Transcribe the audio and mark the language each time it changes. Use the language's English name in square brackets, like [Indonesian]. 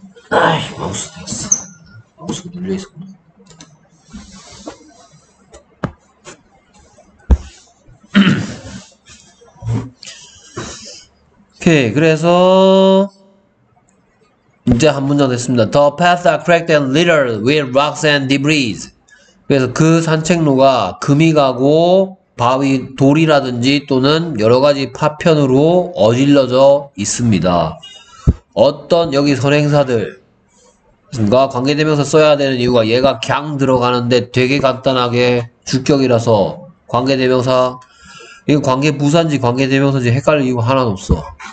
[Korean] 아이, 마우스가 있어. 마우스가 눌려있어. 오케이, 그래서 이제 한 문장 됐습니다. [English] The paths are cracked and littered with rocks and debris. [Korean] 그래서 그 산책로가 금이 가고 바위 돌이라든지 또는 여러 가지 파편으로 어질러져 있습니다. 어떤 여기 선행사들과 관계대명사 써야 되는 이유가 얘가 갱 들어가는데 되게 간단하게 주격이라서 관계대명사 이거 관계 부사인지 관계 대명사인지 헷갈릴 이유가 하나도 없어.